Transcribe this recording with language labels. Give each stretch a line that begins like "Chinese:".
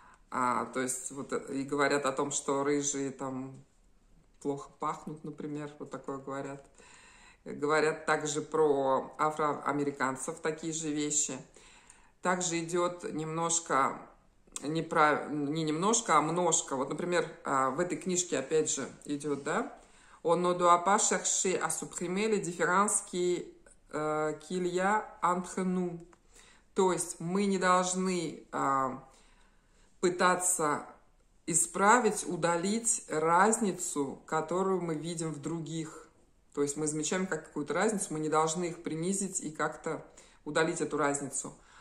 Russian: То есть вот и говорят о том, что рыжие там плохо пахнут, например, вот такое говорят. Говорят также про афроамериканцев, такие же вещи. Также идет немножко, немножко. Вот, например, в этой книжке опять же идет, да?
French: On ne doit pas chercher à supprimer les différences qu'il y a entre nous.
Russian: То есть мы не должны пытаться исправить, удалить разницу, которую мы видим в других. То есть мы замечаем какую-то разницу, мы не должны их принизить и как-то удалить эту разницу.